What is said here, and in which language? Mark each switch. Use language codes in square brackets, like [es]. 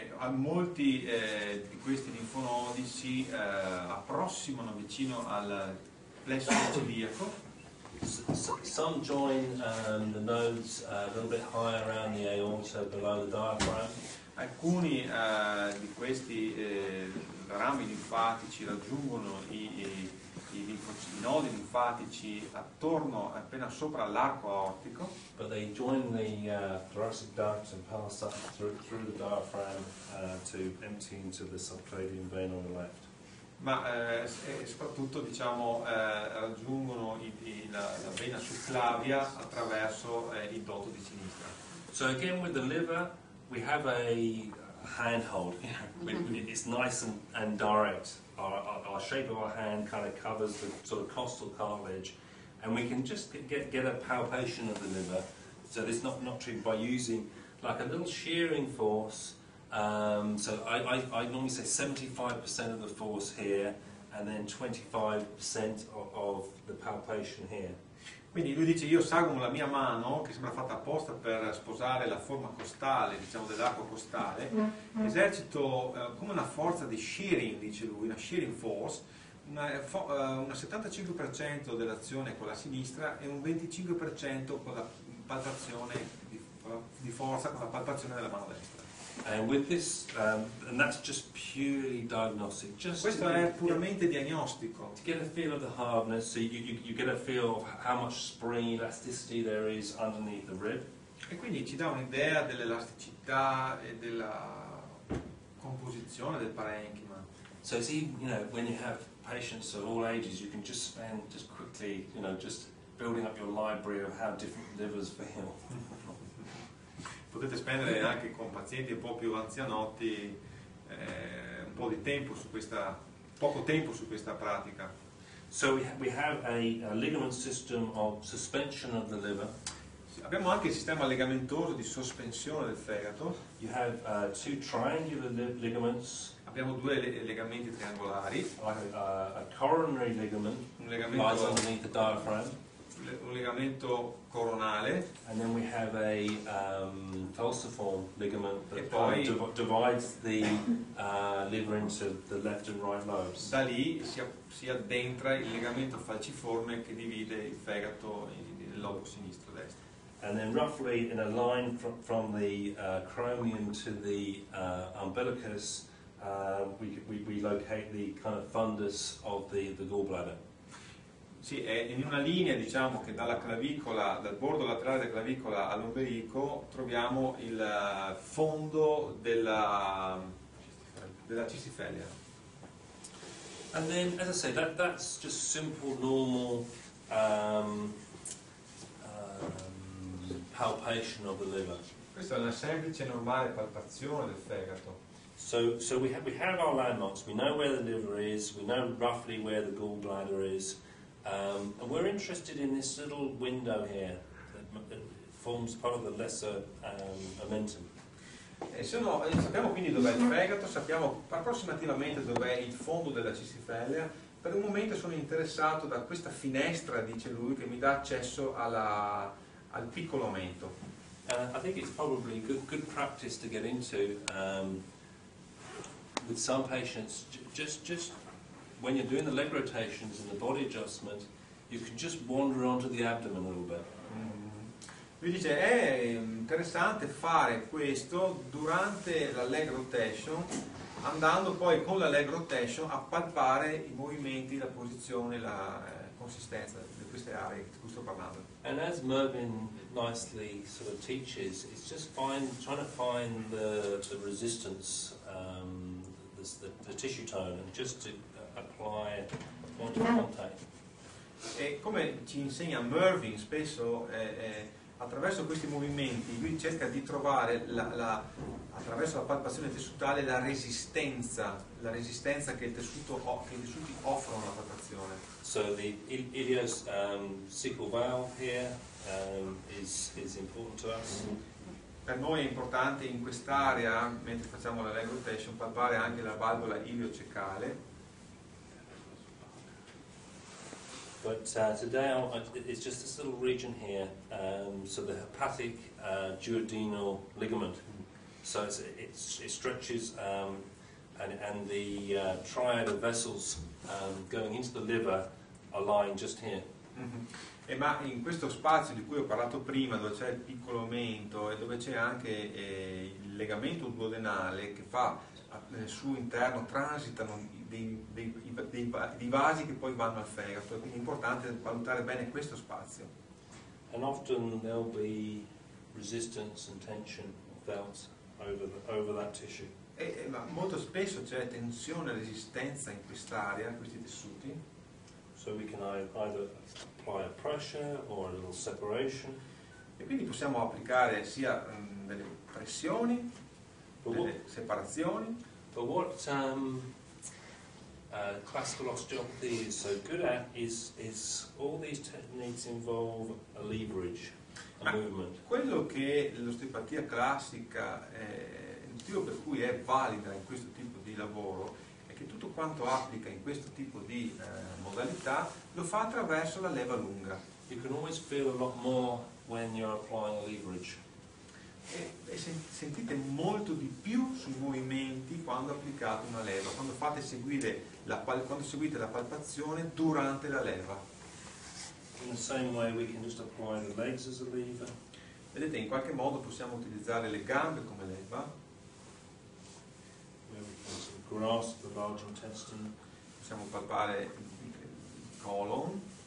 [it] Molti di questi linfonodi si approssimano vicino al plesso celiaco. [en] Some join the nodes a little bit higher around the aorta below the diaphragm. [it] Alcuni di questi rami linfatici raggiungono i nodi linfatici attorno appena sopra l'arco aortico, [en] but they join the thoracic duct and pass up through the diaphragm to empty into the subclavian vein on the left. [it] Ma soprattutto diciamo raggiungono la vena subclavia attraverso il dotto di sinistra. [en] So again with the liver we have a handhold. It's nice and direct. Our shape of our hand kind of covers the sort of costal cartilage, and we can just get a palpation of the liver, so it's not treated by using like a little shearing force. So I normally say 75% of the force here, and then 25% of the palpation here. [it] Quindi lui dice io sagomo la mia mano che sembra fatta apposta per sposare la forma costale, diciamo dell'arco costale, esercito come una forza di shearing, dice lui, una [en] shearing force, [it] una 75% dell'azione con la sinistra e un 25% con la palpazione di forza con la palpazione della mano destra. [en] And with this, and that's just purely diagnostic. Just [it] questo è puramente diagnostico. [en] To get a feel of the hardness, so you get a feel of how much spring elasticity there is underneath the rib. [it] E quindi ci dà un'idea dell'elasticità e della composizione del parenchima. [en] So it's even, you know, when you have patients of all ages, you can just spend just quickly, you know, just building up your library of how different livers feel. [it] Potete spendere anche con pazienti un po' più anzianotti un po' di tempo su questa poco tempo su questa pratica. [en] So we have a ligament system of suspension of the liver. [it] Abbiamo anche il sistema legamentoso di sospensione del fegato. [en] You have two triangular ligaments. [it] Abbiamo due legamenti triangolari. [en] A coronary ligament. [it] Un legamento [en] lies underneath the diaphragm. [it] Un legamento coronale. [en] And then we have a falciform ligament that divides the liver into the left and right lobes. [it] Da lì si addentra il legamento falciforme che divide il fegato nel lobo sinistro destro. [en] And then roughly in a line from the acromion to the umbilicus, we locate the kind of fundus of the gallbladder. [it] Sì, è in una linea, diciamo, che dalla clavicola, dal bordo laterale della clavicola all'ombelico, troviamo il fondo della cistifellea. [en] And then, as I say, that's just simple, normal palpation of the liver. [it] Questa è una semplice, normale palpazione del fegato. [en] So we have our landmarks. We know where the liver is. We know roughly where the gallbladder is. And we're interested in this little window here that forms part of the lesser omentum. [it] Sappiamo quindi dov'è il fegato, sappiamo approssimativamente dov'è il fondo della cistifellea. Per un momento sono interessato da questa finestra, dice lui, che mi dà accesso al piccolo omento. [en] I think it's probably good practice to get into with some patients just when you're doing the leg rotations and the body adjustment, you can just wander onto the abdomen a little bit. [it] Lui dice è interessante fare questo durante la leg rotation, andando poi con la leg rotation a palpare i movimenti, la posizione, la consistenza di queste aree di cui sto parlando. [en] And as Mervyn nicely sort of teaches, it's just trying to find the resistance, the tissue tone, and just to apply point of contact. [it] E come ci insegna Mervyn spesso, attraverso questi movimenti lui cerca di trovare attraverso la palpazione tessutale la resistenza che i tessuti offrono alla palpazione. [en] So the ilios cecal valve here is important to us. [it] Per noi è importante in quest'area, mentre facciamo la leg rotation, palpare anche la valvola iliocecale. [en] But today it's just this little region here, so the hepatic duodenal ligament. So it stretches and the triad of vessels going into the liver are lying just here. Mm-hmm. [it] E ma in questo spazio di cui ho parlato prima, dove c'è il piccolo omento e dove c'è anche il legamento duodenale che fa nel suo interno, transitano dei vasi che poi vanno al fegato, è quindi importante valutare bene questo spazio. [en] And often there'll be resistance and tension felt over that tissue. [it] Ma molto spesso c'è tensione e resistenza in quest'area, in questi tessuti. [en] So we can either apply a pressure or a little separation. [it] E quindi possiamo applicare sia delle pressioni, delle separazioni. [en] But what classical osteopathy is so good at is all these techniques involve a leverage, a movement. [it] Quello che l'osteopatia classica il motivo per cui è valida in questo tipo di lavoro è che tutto quanto applica in questo tipo di modalità lo fa attraverso la leva lunga. [en] You can always feel a lot more when you're applying a leverage. [it] E sentite molto di più sui movimenti quando applicate una leva, quando seguite la palpazione durante la leva. [en] In the same way we can just apply the legs as a lever. [it] Vedete, in qualche modo possiamo utilizzare le gambe come leva. [en] Where we can sort of grasp the large intestine. [it] Possiamo palpare il colon.